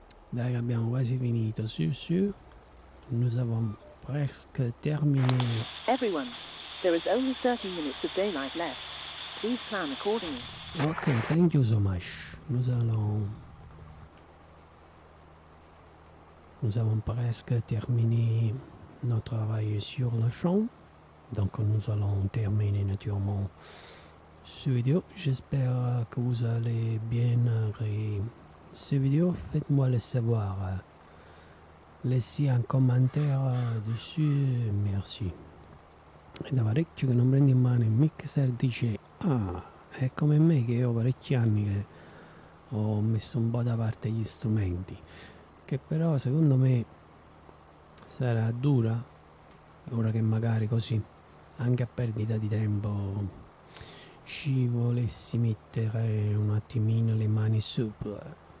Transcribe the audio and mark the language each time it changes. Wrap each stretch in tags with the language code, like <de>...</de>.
<it>Dai che abbiamo quasi finito, su.</it> <fr>Nous avons presque terminé.</fr> <en>Everyone, there is only 30 minutes of daylight left. Please plan accordingly. Ok, thank you so much.</en> <fr>Nous avons presque terminé. Notre travail est sur le champ, donc nous allons terminer naturellement ce vidéo. J'espère que vous allez bien rire ces vidéos. Faites-moi le savoir. Laissez un commentaire dessus. Merci.</fr> <it>Ed è parecchio che non prendi in mano il mixer DJ. Ah, è come me che ho parecchi anni che ho messo un po' da parte gli strumenti. Che però secondo me Sarà dura, ora che magari così, anche a perdita di tempo, ci volessi mettere un attimino le mani sopra.</it>